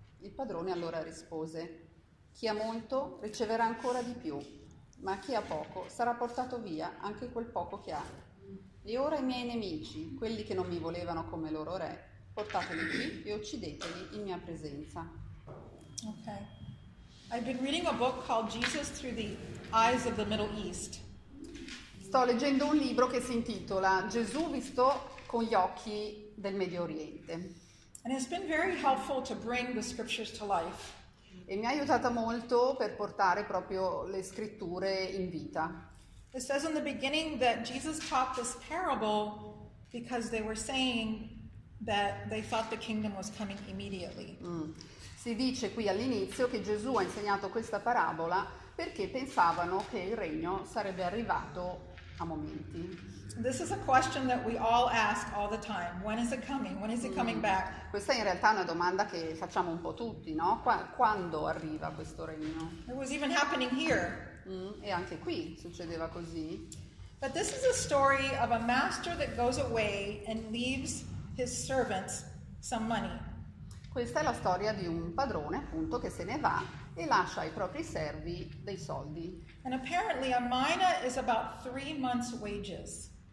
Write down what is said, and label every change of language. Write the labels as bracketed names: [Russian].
[Italian] Il padrone allora rispose: «Chi ha molto riceverà ancora di più, ma chi ha poco sarà portato via anche quel poco che ha. E ora i miei nemici, quelli che non mi volevano come loro re, portateli qui e uccideteli in mia presenza. Ok. [English] I've been reading a book called Jesus Through the Eyes of the Middle East. [Italian] Sto leggendo un libro che si intitola Gesù visto con gli occhi del Medio Oriente. [English] And it's been very helpful to bring the scriptures to life. [Italian] E mi ha aiutata molto per portare proprio le scritture in vita. [English] It says in the beginning that Jesus taught this parable because they were saying that they thought the kingdom was coming immediately. [Italian] Si dice qui all'inizio che Gesù ha insegnato questa parabola perché pensavano che il regno sarebbe arrivato a momenti. [English] This is a question that we all ask all the time. When is it coming? When is it coming back? [Italian] Questa in realtà è una domanda che facciamo un po' tutti, no? Quando arriva questo regno? [English] It was even happening here. [Italian] E anche qui succedeva così. [English] But this is a story of a master that goes away and leaves his servants some money. [Italian] Questa è la storia di un padrone, appunto, che se ne va e lascia ai propri servi dei soldi. [English] And apparently a mina is about 3 months' wages.